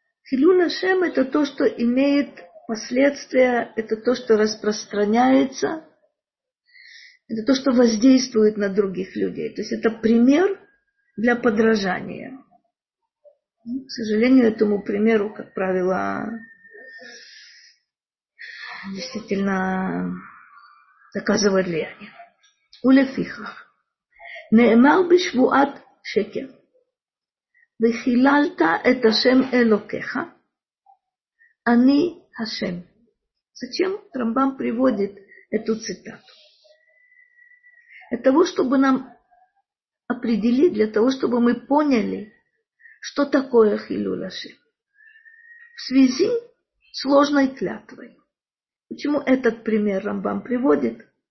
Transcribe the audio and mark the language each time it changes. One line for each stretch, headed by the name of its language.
Russian: Хилюль ашем – это то, что имеет последствия, это то, что распространяется, это то, что воздействует на других людей. То есть это пример для подражания. К сожалению, этому примеру, как правило, действительно оказывает влияние.
Hebrew: ולפיכך, נאמר בשבועת שקר, וחיללת את השם אלוקיך, אני השם.
Russian: Зачем Рамбам приводит эту цитату? Для того, чтобы нам определить, для того, чтобы мы поняли, что такое Хилюль Ашем. В связи с ложной клятвой. Почему этот пример Рамбам приводит?